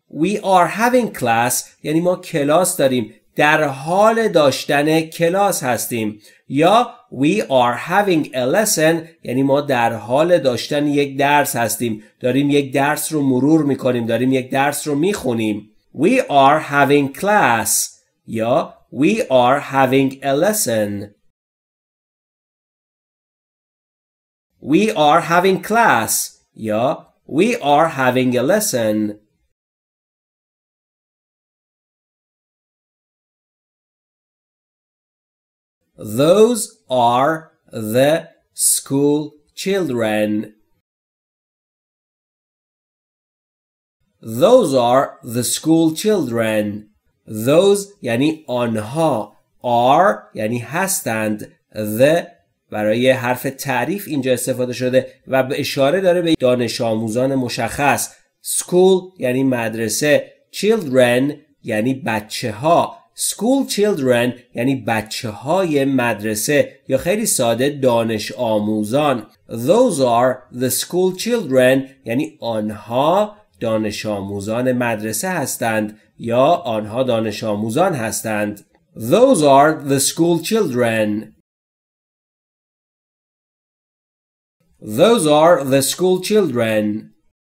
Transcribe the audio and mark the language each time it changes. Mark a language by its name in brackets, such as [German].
[English] we are having class [Persian] یعنی ما کلاس داریم، در حال داشتن کلاس هستیم. یا [English] we are having a lesson [Persian] یعنی ما در حال داشتن یک درس هستیم، داریم یک درس رو مرور میکنیم، داریم یک درس رو میخونیم. [English] we are having class یا we are having a lesson. We are having class. We are having a lesson. Those are the school children. Those are the school children. [Persian] Those یعنی آنها، are یعنی هستند، the برای حرف تعریف اینجا استفاده شده و به اشاره داره به دانش آموزان مشخص. school یعنی مدرسه، children یعنی بچه ها. [English] school children [Persian] یعنی بچه های مدرسه یا خیلی ساده دانش آموزان. [English] those are the school children [Persian] یعنی آنها دانش آموزان مدرسه هستند یا آنها دانش آموزان هستند. [English] those are the school children. Those are the school children.